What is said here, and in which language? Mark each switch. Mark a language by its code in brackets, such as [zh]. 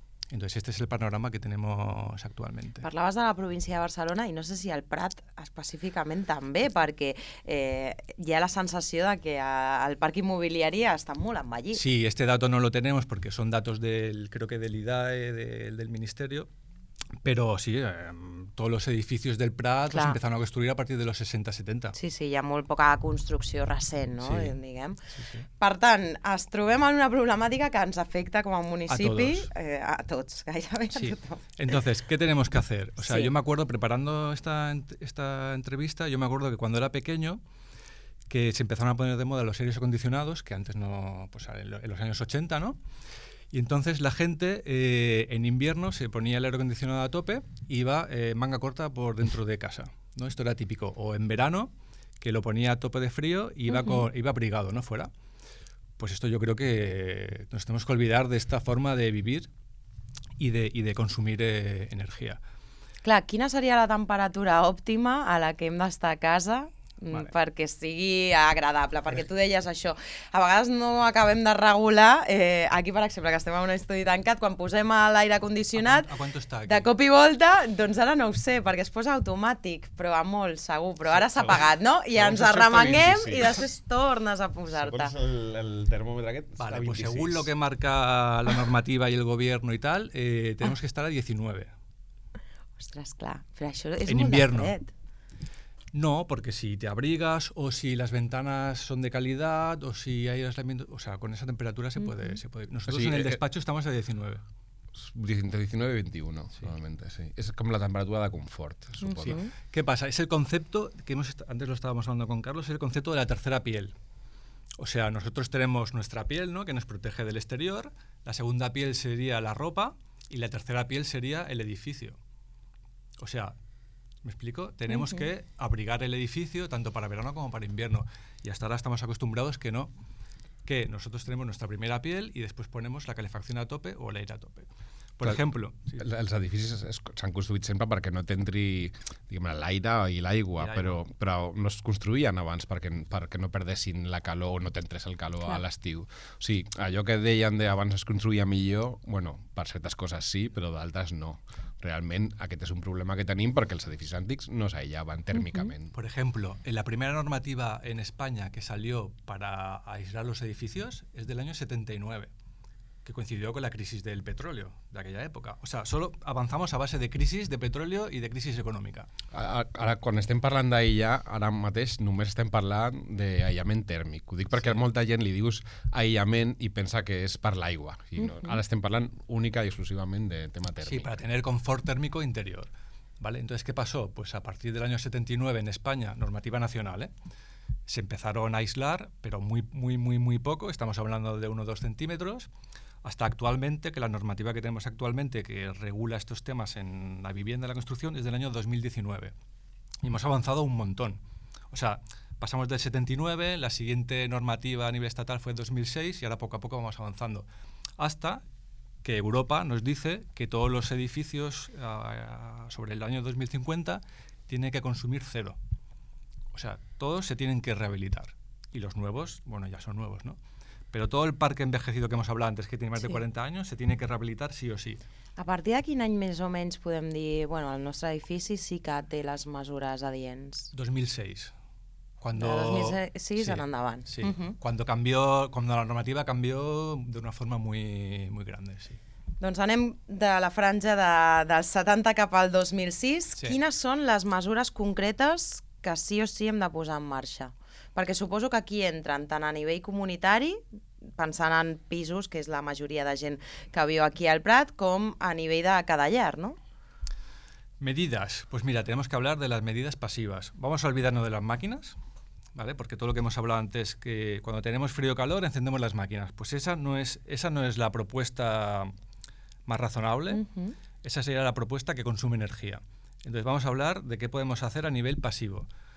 [es] Entonces este es el panorama que tenemos actualmente. Parlabas de la provincia de Barcelona y no sé si al Prat específicamente también, porque ya la sensación de que al parque inmobiliario está muy envallit. Sí, este dato no lo tenemos porque son datos del, creo que del IDAE, del Ministerio, [ca] Però sí, tots els edificis del Prat els [es] empezaron a construir a partir de los 60-70. [ca] Sí, sí, hi ha molt poca construcció recent, no? Sí. Diguem. Sí, sí. Per tant, ens trobem en una problemàtica que ens afecta com a municipi. A tots, gairebé sí. A tothom. [es] Entonces, ¿qué tenemos que hacer? O sea, sí. Yo me acuerdo, preparando esta entrevista, yo me acuerdo que cuando era pequeño, que se empezaron a poner de moda los aires acondicionados, que antes no, pues en los años 80, ¿no? Y entonces la gente en invierno se ponía el aire acondicionado a tope y iba manga corta por dentro de casa, ¿no? Esto era típico. O en verano, que lo ponía a tope de frío y iba, iba abrigado, ¿no? Fuera. Pues esto yo creo que nos tenemos que olvidar de esta forma de vivir y de consumir energía. [ca] Clar, ¿quina seria la temperatura òptima a la que hem d'estar a casa? Vale. Perquè sigui agradable, perquè tu deies això. A vegades no acabem de regular, aquí per exemple, que estem en un estudi tancat, quan posem l'aire condicionat, a quant de cop i volta, doncs ara no ho sé, perquè es posa automàtic, però a molt segur, però sí, ara s'ha apagat, no? I ens arremanguem i després tornes a posar-te. Segons el termòmetre aquest, vale, està 26. [es] Pues según lo que marca la normativa i el gobierno i tal, tenemos que estar a 19. [ca] Ostres, clar, però això és en molt fred. [es] No, porque si te abrigas o si las ventanas son de calidad o si hay aislamiento, o sea, con esa temperatura se puede, se puede. Nosotros sí, en el despacho estamos a 19. Entre 19 y 21, sí. Normalmente, sí. Es como la temperatura de confort, supongo. Sí. ¿Qué pasa? Es el concepto, que antes lo estábamos hablando con Carlos, es el concepto de la tercera piel. O sea, nosotros tenemos nuestra piel, ¿no?, que nos protege del exterior, la segunda piel sería la ropa y la tercera piel sería el edificio. O sea, ¿me explico? Tenemos que abrigar el edificio tanto para verano como para invierno. Y hasta ahora estamos acostumbrados que no. Que nosotros tenemos nuestra primera piel y después ponemos la calefacción a tope o el aire a tope. Por ejemplo... [ca] Els edificis s'han construït sempre perquè no t'entri l'aire i l'aigua, però no es construïen abans perquè no perdessin la calor o no t'entrés el calor a l'estiu. O sigui, allò que deien d'abans es construïa millor, bueno, per certes coses sí, però d'altres no. Realment aquest és un problema que tenim perquè els edificis antics no s'aïllaven tèrmicament. [es] Por ejemplo, en la primera normativa en España que salió para aislar los edificios es del año 79. Que coincidió con la crisis del petróleo de aquella época. O sea, solo avanzamos a base de crisis de petróleo y de crisis económica. [ca] Ara, quan estem parlant d'aïllar, ara mateix només estem parlant d'aïllament tèrmic. Ho dic perquè a molta gent li dius aïllament i pensa que és per l'aigua. Ara estem parlant única i exclusivament de tema tèrmic. [es] Sí, para tener confort térmico interior. ¿Vale? Entonces, ¿qué pasó? Pues a partir del año 79 en España, normativa nacional, se empezaron a aislar, pero muy, muy, muy, muy poco. Estamos hablando de 1 o 2 centímetros. Hasta actualmente, que la normativa que tenemos actualmente que regula estos temas en la vivienda y la construcción es del año 2019. Y hemos avanzado un montón. O sea, pasamos del 79, la siguiente normativa a nivel estatal fue 2006 y ahora poco a poco vamos avanzando. Hasta que Europa nos dice que todos los edificios sobre el año 2050 tienen que consumir cero. O sea, todos se tienen que rehabilitar. Y los nuevos, bueno, ya son nuevos, ¿no? [ca] Però tot el parc [es] envejecido que hemos hablado antes, que tiene más de 40 años, se tiene que rehabilitar sí o sí. [ca] A partir de quin any més o menys podem dir, bueno, el nostre edifici sí que té les mesures adients? [es] 2006. Cuando... [ca] En endavant. [es] Sí, cuando cambió, cuando la normativa cambió de una forma muy, muy grande, sí. [ca] Doncs anem de la franja del 70 cap al 2006. Sí. Quines són les mesures concretes que sí o sí hem de posar en marxa? Perquè suposo que aquí entren tant a nivell comunitari, pensant en pisos, que és la majoria de gent que viu aquí al Prat, com a nivell de cada llar, no? [es] Medidas. Pues mira, tenemos que hablar de las medidas pasivas. Vamos a olvidarnos de las máquinas, ¿vale? Porque todo lo que hemos hablado antes, que cuando tenemos frío o calor encendemos las máquinas. Pues esa no es la propuesta más razonable. Esa sería la propuesta que consume energía. Entonces vamos a hablar de qué podemos hacer a nivel pasivo.